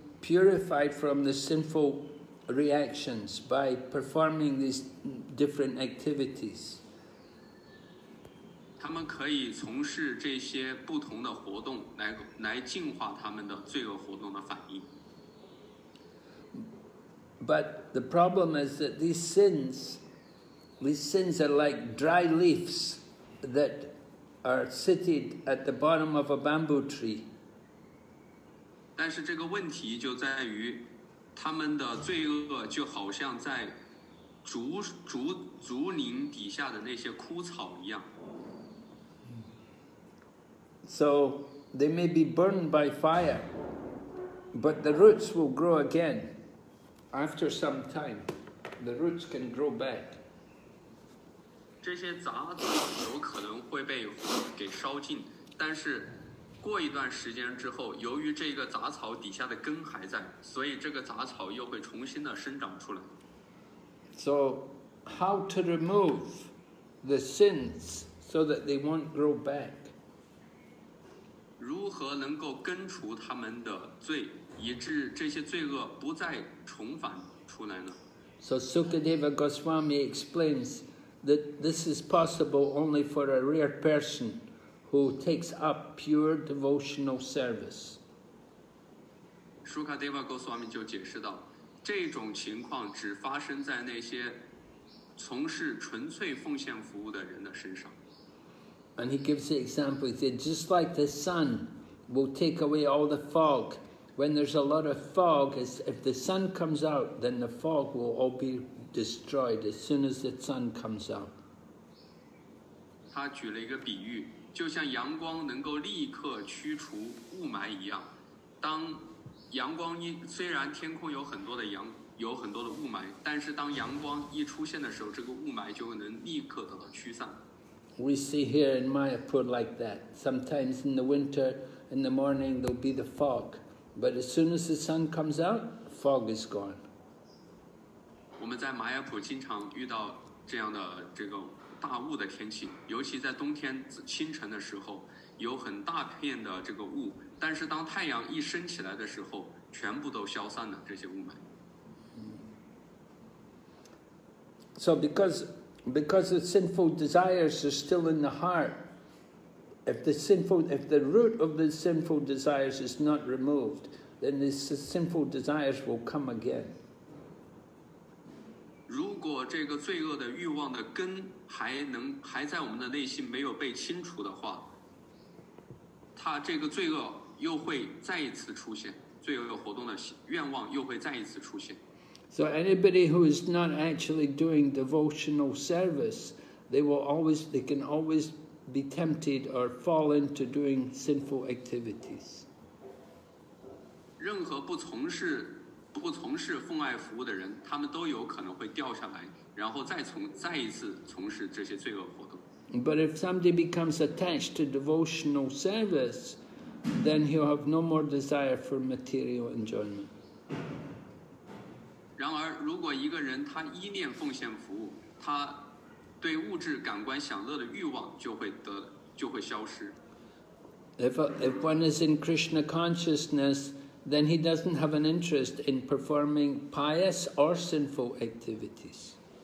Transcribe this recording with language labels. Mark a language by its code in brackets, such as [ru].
[en] purified from the sinful reactions by performing these different activities. [zh] 他们可以从事这些不同的活动来净化他们的罪恶活动的反应。 [en] But the problem is that these sins are like dry leaves that are seated at the bottom of a bamboo tree. [zh] 但是这个问题就在于他们的罪恶就好像在竹林底下的那些枯草一样。 [en] So they may be burned by fire, but the roots will grow again. After some time, the roots can grow back. [zh] 这些杂草有可能会被火给烧尽，但是过一段时间之后，由于这个杂草底下的根还在，所以这个杂草又会重新的生长出来。 [en] So, how to remove the sins so that they won't grow back? [zh] 如何能够根除他们的罪，以致这些罪恶不再重返出来呢？ [en] So Sukadeva Goswami explains that this is possible only for a rare person who takes up pure devotional service. [zh] Sukadeva Goswami 就解释到，这种情况只发生在那些从事纯粹奉献服务的人的身上。 [en] And he gives the example, he said, just like the sun will take away all the fog, when there's a lot of fog, if the sun comes out, then the fog will all be destroyed as soon as the sun comes out. [zh] 他举了一个比喻，就像阳光能够立刻驱除雾霾一样，当阳光一，虽然天空有很多的阳，有很多的雾霾，但是当阳光一出现的时候，这个雾霾就能立刻得到驱散。 [en] We see here in Mayapur like that. Sometimes in the winter, in the morning, there'll be the fog. But as soon as the sun comes out, fog is gone. [zh] 我们在马雅普经常遇到这样的这个大雾的天气，尤其在冬天清晨的时候，有很大片的这个雾。但是当太阳一升起来的时候，全部都消散了，这些雾霾。 [en] So because the sinful desires are still in the heart, if the root of the sinful desires is not removed, then the sinful desires will come again. [zh] 如果这个罪恶的欲望的根还在我们的内心没有被清除的话，它这个罪恶又会再一次出现，罪恶活动的愿望又会再一次出现。 [en] So anybody who is not actually doing devotional service, they can always be tempted or fall into doing sinful activities. [zh] 任何不从事奉爱服务的人，他们都有可能会掉下来，然后再一次从事这些罪恶活动。 [en] But if somebody becomes attached to devotional service, then he'll have no more desire for material enjoyment. [zh] 然而如果一个人他依念奉献服务，他对物质感官享乐的欲望就会消失。 [en] If one is in Krishna consciousness, then he doesn't have an interest in performing pious or sinful activities.